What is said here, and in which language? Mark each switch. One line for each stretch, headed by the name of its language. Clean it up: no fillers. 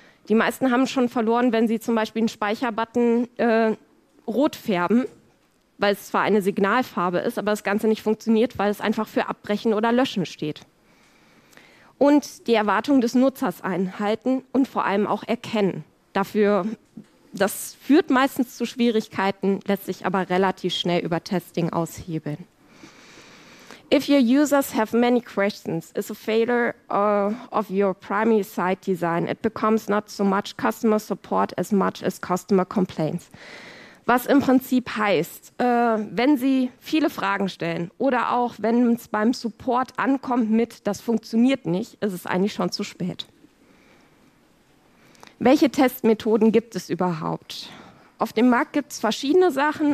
German: Die meisten haben schon verloren, wenn sie zum Beispiel einen Speicherbutton rot färben, weil es zwar eine Signalfarbe ist, aber das Ganze nicht funktioniert, weil es einfach für Abbrechen oder Löschen steht. Und die Erwartungen des Nutzers einhalten und vor allem auch erkennen. Das führt meistens zu Schwierigkeiten, lässt sich aber relativ schnell über Testing aushebeln.
English: If your users have many questions, is a failure of your primary site design, it becomes not so much customer support as much as customer complaints.
German: Was im Prinzip heißt, wenn Sie viele Fragen stellen oder auch wenn es beim Support ankommt mit, das funktioniert nicht, ist es eigentlich schon zu spät. Welche Testmethoden gibt es überhaupt? Auf dem Markt gibt es verschiedene Sachen.